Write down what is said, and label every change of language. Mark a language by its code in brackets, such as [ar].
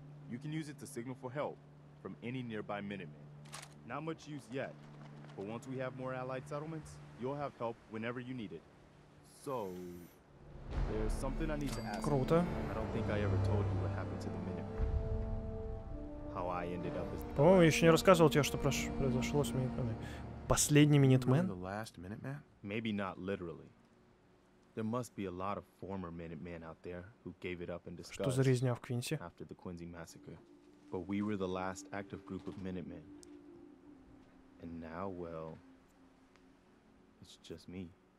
[en] You can use it to signal for help from any nearby Minutemen. Not much use yet, but once we have more allied settlements, you'll have help whenever you need it. So, there's something I need to ask you. I don't think I ever told you what happened to the Minutemen. How I ended up as the... [ru] По-моему, я еще не рассказывал тебе, что произошло с Минутменами. Последний Минутмен? [en] The last Minuteman? Maybe not literally. There must be a lot of former Minutemen out there who gave it up in disgust. [ru] Что за резня в Квинси? [en] After the Quincy massacre. But we were the last active group of Minutemen. And now, well, it's just me.